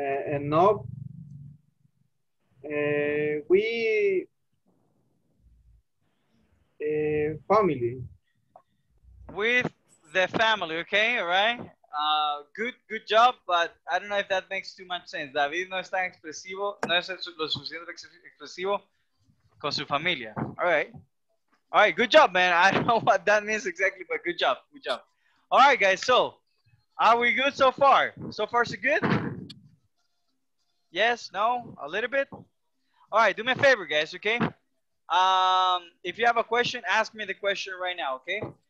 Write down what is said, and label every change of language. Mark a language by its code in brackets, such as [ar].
[en] enough. We family. With the family, okay, all right. Good job, but I don't know if that makes too much sense. [es] David no es tan expresivo, no es lo suficiente expresivo con su familia. [en] All right, good job, man. I don't know what that means exactly, but good job. All right, guys, so are we good so far? So far, so good? Yes, no, a little bit? All right, do me a favor, guys, okay? If you have a question, ask me the question right now, okay?